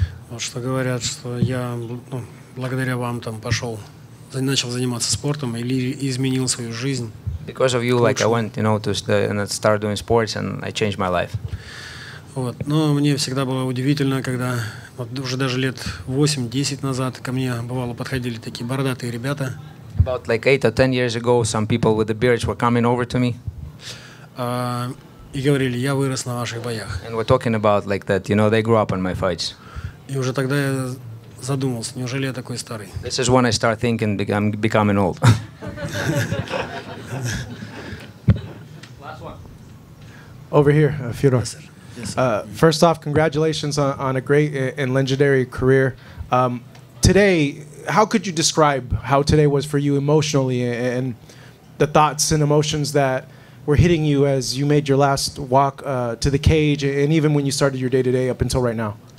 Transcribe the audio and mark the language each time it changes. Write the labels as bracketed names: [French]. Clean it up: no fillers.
[Russian] Вот что говорят, что я, ну, благодаря вам там пошел, начал заниматься спортом или изменил свою жизнь. [English] Because of you, like I went, you know, to start doing sports and I changed my life. [Russian] Вот. Но мне всегда было удивительно, когда вот уже даже лет 8-10 назад ко мне бывало подходили такие бородатые ребята. [English] About like 8 or 10 years ago, some people with the beards were coming over to me. [Russian] И говорили, я вырос на ваших боях. [English] And we're talking about like that, you know, they grew up on my fights. [Russian] И уже тогда я задумался, неужели я такой старый? [English] This is when I start thinking I'm becoming old. Last one. Over here, Fedor. Yes, sir. First off, congratulations on a great and legendary career. Today, how could you describe how today was for you emotionally and the thoughts and emotions that were hitting you as you made your last walk to the cage and even when you started your day-to-day up until right now?